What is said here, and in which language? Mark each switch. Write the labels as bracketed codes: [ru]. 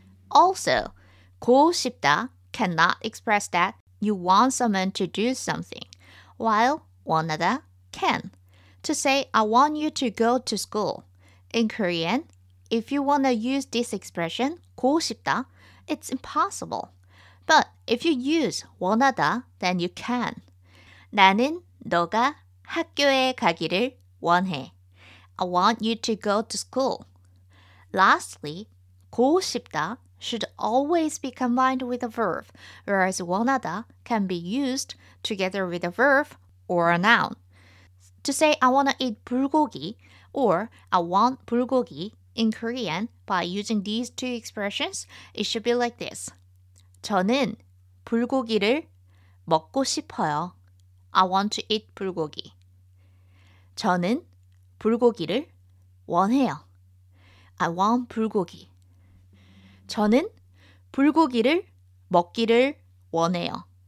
[en] Also, 고 싶다 cannot express that you want someone to do something, while 원하다 can. To say, I want you to go to school. In Korean, if you want to use this expression, 고 싶다, it's impossible. But if you use 원하다, then you can. [ko] 나는 너가 학교에 가기를 원해. [en] I want you to go to school. Lastly, 고 싶다 should always be combined with a verb, whereas 원하다 can be used together with a verb or a noun. To say I want to eat 불고기 or I want 불고기 in Korean by using these two expressions, it should be like this. [ko] 저는 불고기를 먹고 싶어요. [en] I want to eat 불고기. [ko] 저는 불고기를 원해요. [en] I want 불고기. [ko] 저는 불고기를 먹기를 원해요.